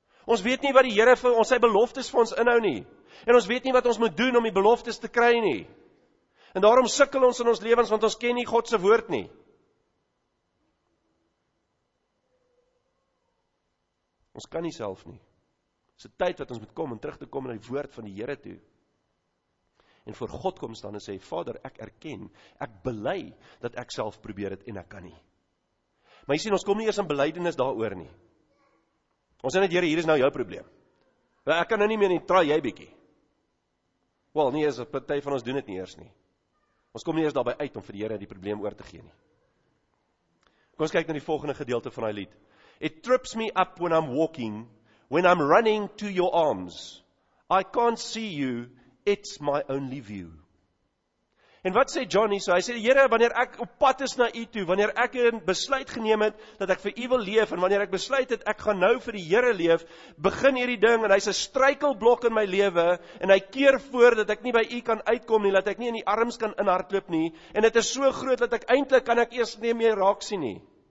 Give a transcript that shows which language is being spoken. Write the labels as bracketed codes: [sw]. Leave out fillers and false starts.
[af] Ons weet nie wat die Here vir ons sy beloftes vir ons inhou nie, en ons weet nie wat ons moet doen om die beloftes te kry nie. En daarom sukkel ons in ons lewens, want ons ken nie God se woord nie. Ons kan nie self nie. Dis 'n tyd wat ons moet kom en terug te kom na die woord van die Here toe. En voor God kom staan en sê, Vader, ek erken, ek bely dat ek self probeer het en ek kan nie. Maar jy sien, ons kom nie eers in belydenis daaroor nie. Ons sê net, Here, hier is nou jou probleem. Maar ek kan nou nie meer nie, try jy bietjie. Wel, nie eers, 'n party van ons doen dit nie eers nie. Ons kom nie eers daarby uit om vir die Here die probleem oor te gee nie. Kom ons kyk na die volgende gedeelte van die lied. [en] It trips me up when I'm walking, when I'm running to your arms. I can't see you, it's my only view. [af] En wat sê Johnny so? Hy sê, Here, wanneer ek op pad is na u toe, wanneer ek 'n besluit geneem het, dat ek vir u wil leef, en wanneer ek besluit het, ek gaan nou vir die Here leef, begin hierdie ding, en hy's 'n struikelblok in my lewe, en hy keer voor dat ek nie by u kan uitkom nie, dat ek nie in die arms kan inhardloop nie, en dit is so groot, dat ek eintlik kan ek eers nie meer raak sien nie.